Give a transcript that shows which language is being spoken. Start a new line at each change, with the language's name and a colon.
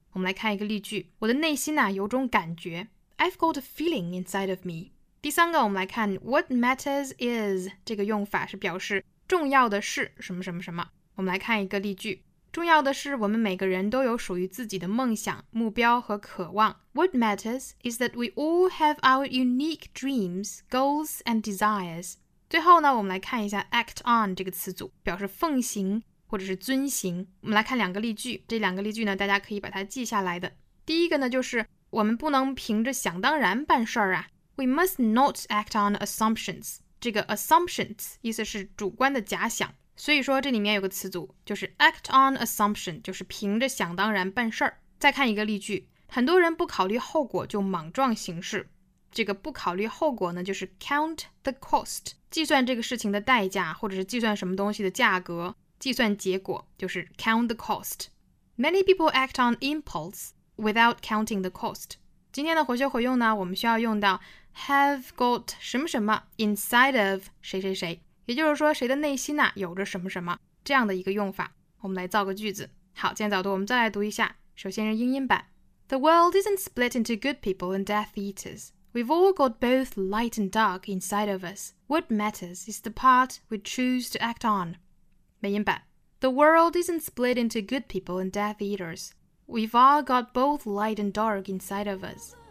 Chinese: 我们来看一个例句，我的内心啊有种感觉，
English: I've got a feeling inside of me.
Chinese: 第三个我们来看
English: What matters is，
Chinese: 这个用法是表示重要的是什么什么什么。我们来看一个例句，重要的是我们每个人都有属于自己的梦想、目标和渴望。
English: What matters is that we all have our unique dreams, goals and desires.
Chinese: 最后呢我们来看一下 act on 这个词组，表示奉行或者是遵行。我们来看两个例句，这两个例句呢大家可以把它记下来的。第一个呢就是我们不能凭着想当然办事儿啊。
English: We must not act on assumptions.
Chinese: 这个 assumptions 意思是主观的假想，所以说这里面有个词组就是
English: act on assumption，
Chinese: 就是凭着想当然办事儿。再看一个例句，很多人不考虑后果就莽撞行事，这个不考虑后果呢就是
English: count the cost，
Chinese: 计算这个事情的代价或者是计算什么东西的价格，计算结果就是 count the cost。
English: Many people act on impulse without counting the cost。
Chinese: 今天的活学活用呢我们需要用到 have got 什么什么 inside of 谁谁谁，也就是说谁的内心呢、有着什么什么这样的一个用法。我们来造个句子。好，今天早读我们再来读一下，首先是英音版。
English: The world isn't split into good people and death eaters. We've all got both light and dark inside of us. What matters is the part we choose to act on.
Chinese: 美音版。
English: The world isn't split into good people and death eaters. We've all got both light and dark inside of us.